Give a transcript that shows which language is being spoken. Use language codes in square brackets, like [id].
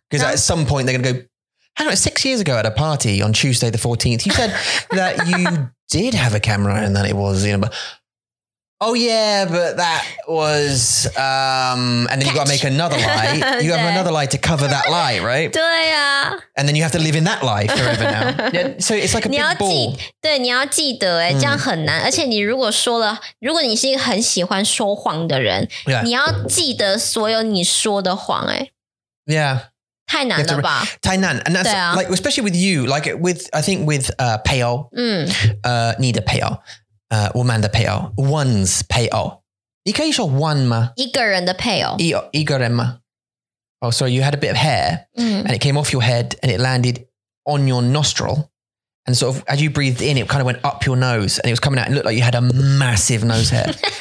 [en] Because at some point, they're going to go,Hang on, 6 years ago at a party on Tuesday the 14th, you said that you did have a camera and that it was, you know, but, oh yeah, but that was, and then you've got to make another lie. You have another lie to cover that lie, right? [zh] 对啊。 [en] And then you have to live in that lie forever now. Yeah, so it's like a big ball. [zh] 对，你要记得诶，这样很难。而且你如果说了，如果你是一个很喜欢说谎的人，你要记得所有你说的谎诶。 [en] Yeah. [zh] 太难了吧？太难， [en] and that's like especially with you, like with I think with payoff, [zh] 你的 [en] payoff, woman 的payoff, one's payoff. [zh] 你可以说 one 吗？一个人的 payoff. 一个人吗？ [en] Oh, sorry, you had a bit of hair, and it came off your head, and it landed on your nostril, and sort of as you breathed in, it kind of went up your nose, and it was coming out, and looked like you had a massive nose hair.